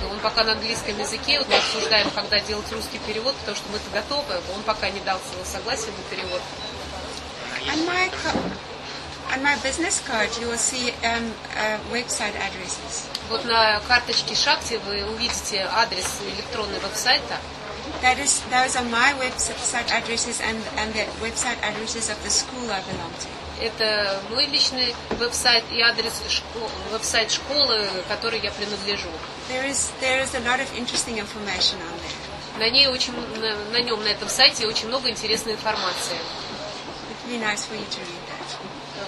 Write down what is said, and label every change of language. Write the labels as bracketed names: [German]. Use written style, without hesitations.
[Russian] Он пока на английском языке. Вот мы обсуждаем, когда делать русский перевод, потому что мы-то готовы. Он пока не дал своего согласия на перевод. [English] On my business card you will see website addresses. [Russian] Вот на карточке Шакти вы увидите адрес электронного веб-сайта. [English] That is, those are my website addresses and the website addresses of the school I belong to. [Russian] Это мой личный веб-сайт и адрес веб-сайт школы, которой я принадлежу. [English] There is a lot of interesting information on there. [Russian] На этом сайте очень много интересной информации. [English] It would be nice for you to read that.